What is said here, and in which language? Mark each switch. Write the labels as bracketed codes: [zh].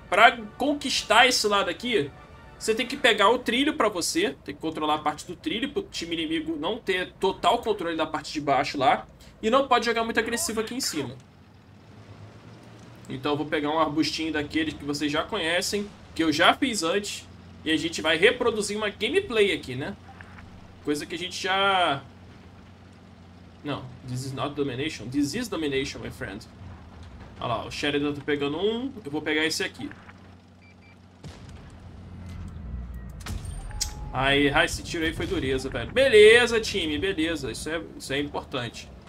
[pt] Pra conquistar esse lado aqui. Você tem que pegar o trilho para você, tem que controlar a parte do trilho para o time inimigo não ter total controle da parte de baixo lá. E não pode jogar muito agressivo aqui em cima. Então eu vou pegar um arbustinho daqueles que vocês já conhecem, que eu já fiz antes. E a gente vai reproduzir uma gameplay aqui, né? Coisa que a gente já. Não, [en] this is not domination. This is domination, my friend. [pt] Olha lá, o Sheridan tá pegando um, eu vou pegar esse aqui. Aí, esse tiro aí foi dureza, velho. Beleza, time, beleza. Isso é importante.